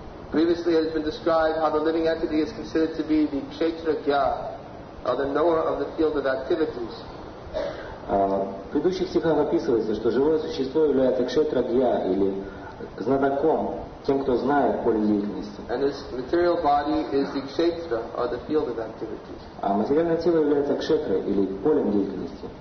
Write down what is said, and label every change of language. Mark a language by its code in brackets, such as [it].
[en] Previously it has been described how the living entity is considered to be the Kshetra-gya, or the knower of the field of activities. [ru] В предыдущих стихах описывается, что живое существо является Кшетра-гья, или знатоком, тем, кто знает поле деятельности. [en] And its material body is the Kshetra, or the field of activities. [ru] А материальное тело является Кшетра, или полем деятельности.